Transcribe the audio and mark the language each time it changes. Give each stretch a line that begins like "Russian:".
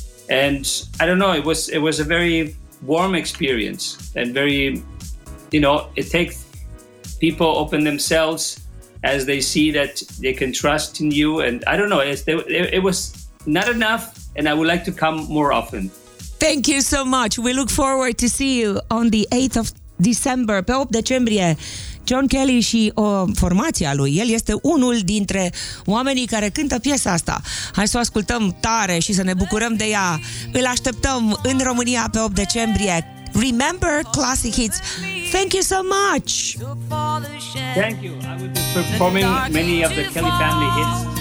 English: And I don't know, it was a very warm experience and very, you know, it takes people open themselves as they see that they can trust in you. And I don't know, it was not enough. And I would like to come more often. Thank you so much. We look forward to see you on the 8th of December,
Romanian: pe 8 decembrie. John Kelly și o formația lui, el este unul dintre oamenii care cântă piesa asta. Hai să o ascultăm tare și să ne bucurăm de ea. Îl așteptăm în România pe 8 decembrie.
English: Remember Classic Hits. Thank you so much. Thank you. I will be performing many of the Kelly family hits.